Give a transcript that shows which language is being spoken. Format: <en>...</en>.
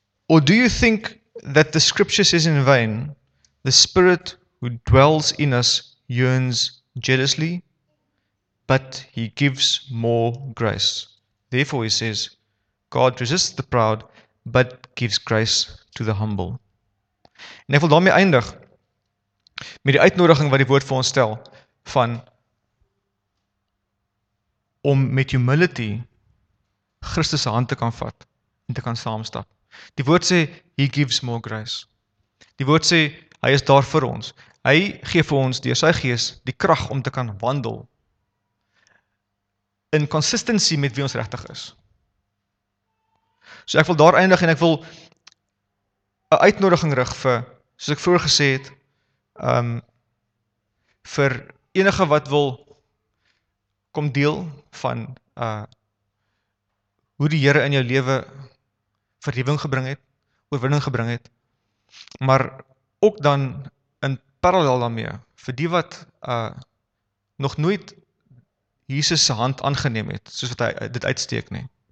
<en>Or do you think that the scripture says in vain, the spirit who dwells in us yearns jealously, but he gives more grace. Therefore he says, God resists the proud, but gives grace to the humble.</en> <af>En ek wil daarmee eindig, met die uitnodiging wat die woord vir ons stel, van, om met humility Christus se hand te kan vat en te kan saamstap. Die woord sê,</af> <en>he gives more grace.</en> <af>Die woord sê, hy is daar vir ons. Hy gee vir ons deur sy gees die krag om te kan wandel in consistency met wie ons regtig is. So ek wil daar eindig en ek wil 'n uitnodiging rig vir, soos ek vroeër gesê het, vir enige wat wil kom deel van hoe die Here in jou lewe verlewing gebring het, oorwinning gebring het, maar ook dan in parallel daarmee, vir die wat nog nooit Jesus se hand aangeneem het, soos wat hy dit uitsteek nie.</af>